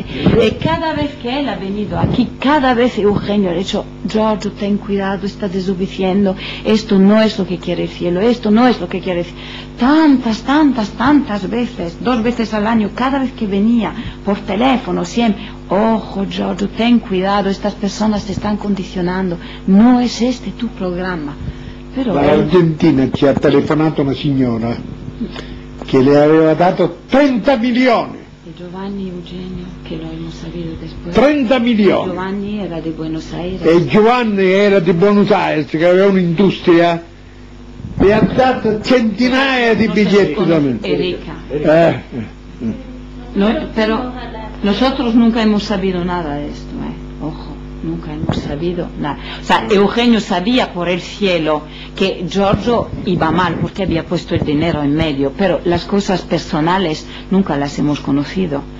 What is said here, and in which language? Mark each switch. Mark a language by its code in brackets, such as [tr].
[es] Y cada vez que él ha venido aquí, cada vez Eugenio le ha dicho, Giorgio, ten cuidado, está desobedeciendo, esto no es lo que quiere el cielo, esto no es lo que quiere el cielo. Tantas veces, dos veces al año, cada vez que venía, por teléfono, siempre, ojo Giorgio, ten cuidado, estas personas te están condicionando, no es este tu programa. Pero [it] la Argentina ci ha telefonato una signora che le aveva dato 30 milioni. Giovanni Eugenio, che lo abbiamo saputo dopo. 30 milioni. Giovanni era di Buenos Aires. E Giovanni era di Buenos Aires, che aveva un'industria, e ha dato centinaia di biglietti da me. Erika. [es] No, però, nosotros nunca hemos sabido nada de esto, ojo. Nunca hemos sabido nada. O sea, Eugenio sabía por el cielo que Giorgio iba mal porque había puesto el dinero en medio, pero las cosas personales nunca las hemos conocido.